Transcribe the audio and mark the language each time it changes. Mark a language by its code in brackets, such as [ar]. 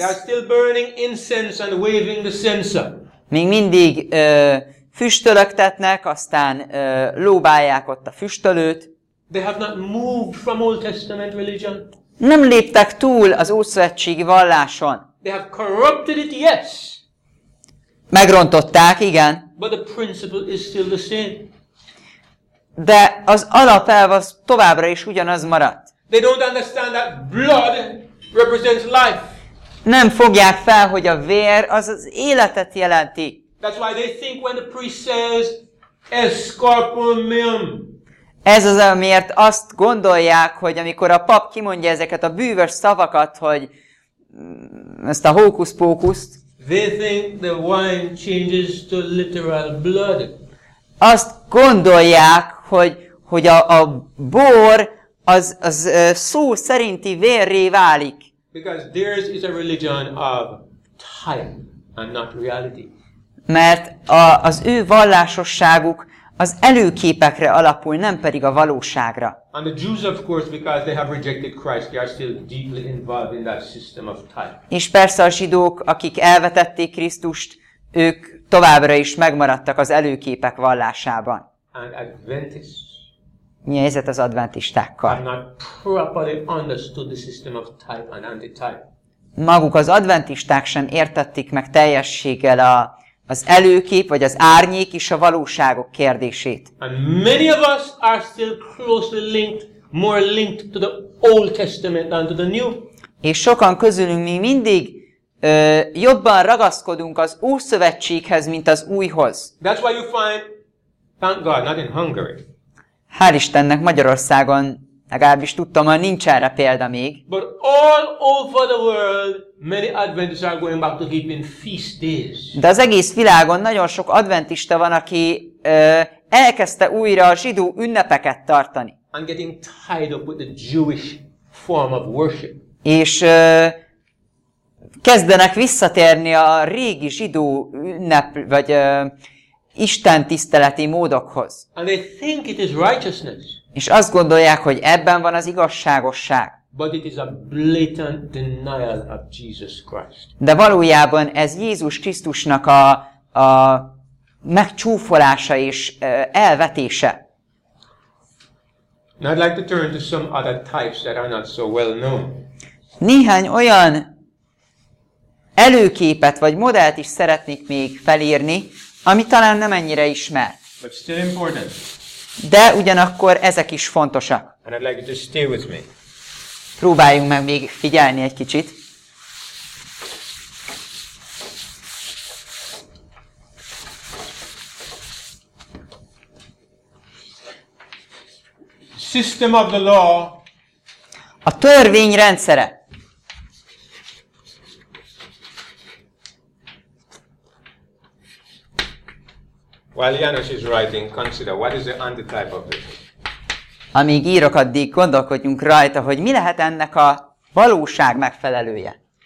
[en] They are still burning incense and waving the censer. [hu] Még mindig füstölögtetnek, aztán lóbálják ott a füstölőt. [en] They have not moved from Old Testament religion. [hu] Nem léptek túl az Ószövetségi valláson. [en] They have corrupted it, yes. [hu] Megrontották, igen. [en] But the principle is still the same. [hu] De az alapelv az továbbra is ugyanaz maradt. [en] They don't understand that blood represents life. [hu] Nem fogják fel, hogy a vér az az életet jelenti. [en] That's why they think when the priest says escorpum meum. [hu] Ez az, amiért azt gondolják, hogy amikor a pap kimondja ezeket a bűvös szavakat, hogy ezt a hókusz-pókuszt. [en] They think the wine changes to literal blood. [hu] Azt gondolják, hogy a bor az szó szerinti vérré válik. [en] Because theirs is a religion of time and not reality. [hu] Mert az ő vallásosságuk az előképekre alapul, nem pedig a valóságra. [en] And the Jews, of course, because they have rejected Christ, they are still deeply involved in that system of time. [hu] És persze a zsidók, akik elvetették Krisztust, ők továbbra is megmaradtak az előképek vallásában. [en] And Adventists. [hu] Mi a helyzet az adventistákkal? [en] Have not properly understood the system of type and anti-type. [hu] Maguk az adventisták sem értették meg teljességgel az előkép, vagy az árnyék és a valóságok kérdését. [en] And many of us are still closely linked, more linked to the Old Testament than to the New. [hu] És sokan közülünk mi mindig jobban ragaszkodunk az Ószövetséghez, mint az Újhoz. [en] That's why you find, thank God, not in Hungary. [hu] Hál' Istennek Magyarországon, legalábbis tudtam, hogy nincs erre példa még. [en] But all over the world, many Adventists are going back to keeping feast days. [hu] De az egész világon nagyon sok adventista van, aki elkezdte újra a zsidó ünnepeket tartani. [en] I'm getting tied up with the Jewish form of worship. [hu] És kezdenek visszatérni a régi zsidó ünnep, vagy Isten tiszteleti módokhoz. [en] And they think it is righteousness. [hu] És azt gondolják, hogy ebben van az igazságosság. [en] But it is a blatant denial of Jesus Christ. [hu] De valójában ez Jézus Krisztusnak a megcsúfolása és elvetése. [en] And I'd like to turn to some other types that are not so well known. [hu] Néhány olyan előképet vagy modellt is szeretnék még felírni, ami talán nem ennyire ismert. [en] But still important. [hu] De ugyanakkor ezek is fontosak. [en] And I'd like you to stay with me. [hu] Próbáljunk meg még figyelni egy kicsit. [en] System of the law. [hu] A törvény rendszere. [en] While Janos is writing, consider what is the antitype of this. [hu] Amíg írok, addig gondolkodjunk rajta, hogy mi lehet ennek a valóság megfelelője.